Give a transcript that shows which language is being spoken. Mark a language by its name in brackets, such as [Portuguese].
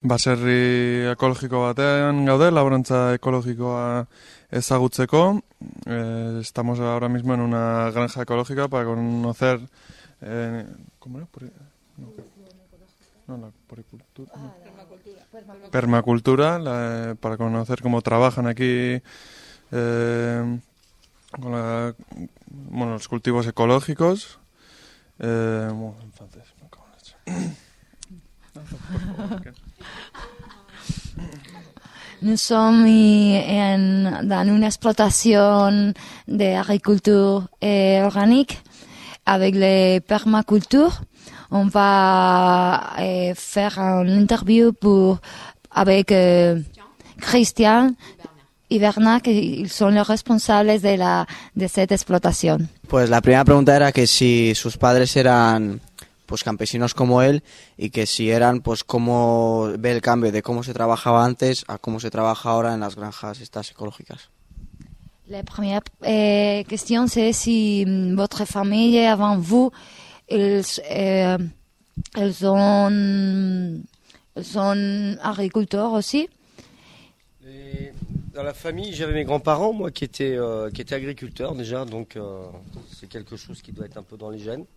[Basque] Baserri ekologiko batean gaude, laborantza ekologikoa ezagutzeko. [Spanish] Estamos ahora mismo en una granja ecológica para conocer... ¿cómo era? No. No, la puricultura, no. Permacultura, para conocer cómo trabajan aquí con bueno, los cultivos ecológicos. En francés, me cago en la leche. Por favor, ¿qué? [French] Nous sommes dans une exploitation d'agriculture organique avec les permacultures. On va faire une interview avec Christian et Bernard, qui sont les responsables de cette exploitation. [Spanish] Pues la primera pregunta era que si sus padres eran pues campesinos como él y que si eran pues cómo ve el cambio de cómo se trabajaba antes a cómo se trabaja ahora en las granjas estas ecológicas. [French] La primera question c'est si votre famille avant vous ils sont agriculteurs aussi. Et dans la famille, j'avais mes grands-parents, moi, qui étaient agriculteurs déjà, donc c'est quelque chose qui doit être un peu dans les gènes.